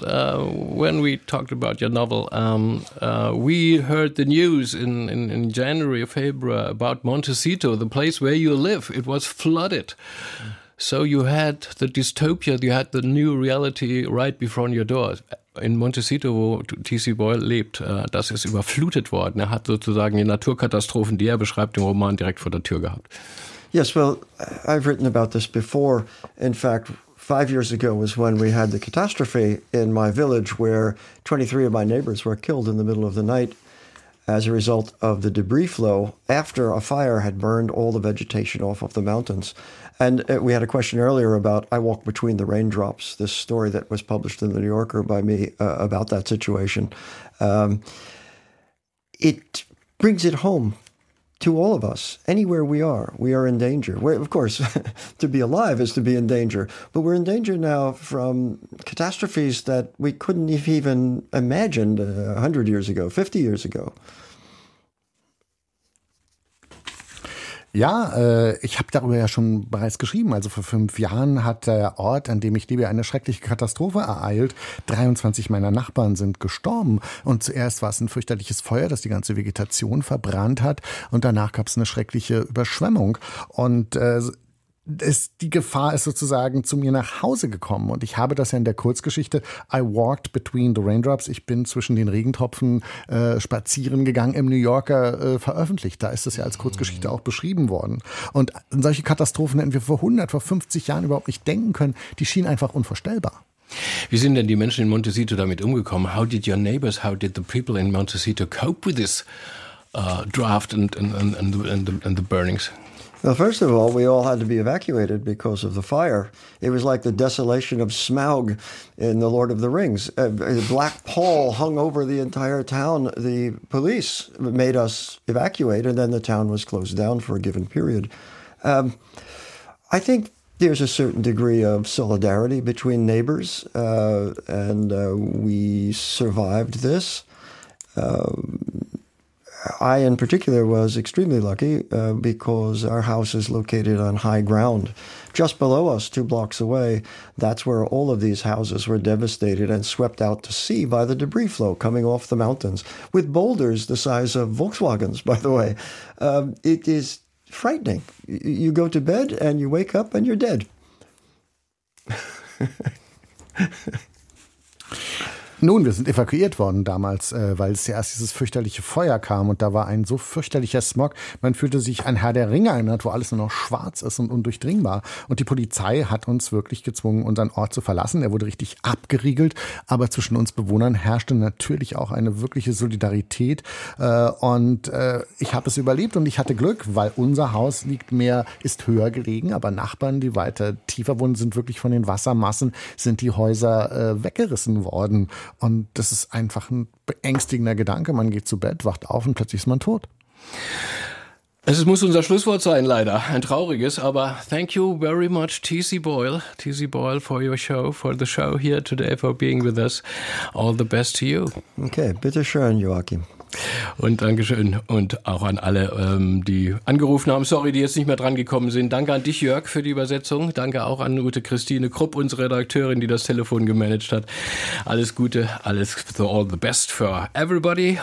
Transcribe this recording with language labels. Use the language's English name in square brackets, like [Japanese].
[English] When we talked about your novel, we heard the news in January or February about Montecito, the place where you live. It was flooded. So you had the dystopia, you had the new reality right before your door. [German] In Montecito, wo T.C. Boyle lebt, das ist überflutet worden. Er hat sozusagen die Naturkatastrophen, die er beschreibt, im Roman direkt vor der Tür gehabt. [English] Yes, well, I've written about this before. In fact, 5 years ago was when we had the catastrophe in my village where 23 of my neighbors were killed in the middle of the night as a result of the debris flow after a fire had burned all the vegetation off of the mountains. And we had a question earlier about I Walk Between the Raindrops, this story that was published in The New Yorker by me about that situation. It brings it home to all of us. Anywhere we are in danger. Of course, to be alive is to be in danger. But we're in danger now from catastrophes that we couldn't have even imagined 100 years ago, 50 years ago. [German] Ja, ich habe darüber ja schon bereits geschrieben. Also vor 5 Jahren hat der Ort, an dem ich lebe, eine schreckliche Katastrophe ereilt. 23 meiner Nachbarn sind gestorben. Und zuerst war es ein fürchterliches Feuer, das die ganze Vegetation verbrannt hat. Und danach gab es eine schreckliche Überschwemmung. Und die Gefahr ist sozusagen zu mir nach Hause gekommen. Und ich habe das ja in der Kurzgeschichte I Walked Between the Raindrops, ich bin zwischen den Regentropfen spazieren gegangen, im New Yorker veröffentlicht. Da ist das ja als Kurzgeschichte auch beschrieben worden. Und solche Katastrophen hätten wir vor 50 Jahren überhaupt nicht denken können. Die schienen einfach unvorstellbar. Wie sind denn die Menschen in Montecito damit umgekommen? [English] How did your neighbors, how did the people in Montecito cope with this draft and the burnings? Well, first of all, we all had to be evacuated because of the fire. It was like the desolation of Smaug in The Lord of the Rings. A black pall hung over the entire town. The police made us evacuate, and then the town was closed down for a given period. I think there's a certain degree of solidarity between neighbors, we survived this. I, in particular, was extremely lucky because our house is located on high ground. Just below us, 2 blocks away, that's where all of these houses were devastated and swept out to sea by the debris flow coming off the mountains, with boulders the size of Volkswagens, by the way. It is frightening. You go to bed and you wake up and you're dead. [German] Nun, wir sind evakuiert worden damals, weil es ja erst dieses fürchterliche Feuer kam und da war ein so fürchterlicher Smog. Man fühlte sich an Herr der Ringe erinnert, wo alles nur noch schwarz ist und undurchdringbar. Und die Polizei hat uns wirklich gezwungen, unseren Ort zu verlassen. Er wurde richtig abgeriegelt, aber zwischen uns Bewohnern herrschte natürlich auch eine wirkliche Solidarität. Und ich habe es überlebt und ich hatte Glück, weil unser Haus liegt mehr, ist höher gelegen, aber Nachbarn, die weiter tiefer wohnen, sind wirklich von den Wassermassen, sind die Häuser weggerissen worden. Und das ist einfach ein beängstigender Gedanke. Man geht zu Bett, wacht auf und plötzlich ist man tot. Es muss unser Schlusswort sein, leider. Ein trauriges, aber [English] thank you very much, [German] T.C. Boyle. T.C. [English] Boyle, for your show, for the show here today, for being with us. All the best to you. [German] Okay, bitteschön, Joachim. Und Dankeschön und auch an alle, die angerufen haben. Sorry, die jetzt nicht mehr dran gekommen sind. Danke an dich, Jörg, für die Übersetzung. Danke auch an Ute Christine Krupp, unsere Redakteurin, die das Telefon gemanagt hat. Alles Gute, alles [English] all the best for everybody.